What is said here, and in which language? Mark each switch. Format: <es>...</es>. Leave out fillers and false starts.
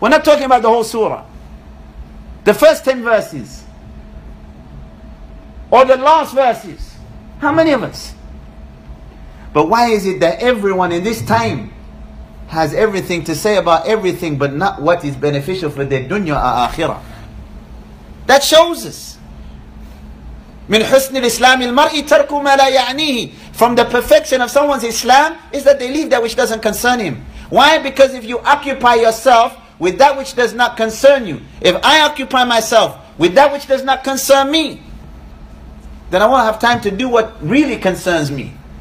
<en>We're not talking about the whole Surah. The first 10 verses. Or the last verses. How many of us? But why is it that everyone in this time has everything to say about everything, but not what is beneficial for their dunya or akhirah. That shows us.</en> <ar>من حسن الإسلام المرء ترك ما لا يعنيه.</ar> <en>From the perfection of someone's Islam is that they leave that which doesn't concern him. Why? Because if you occupy yourself with that which does not concern you, if I occupy myself with that which does not concern me, then I won't have time to do what really concerns me.</en>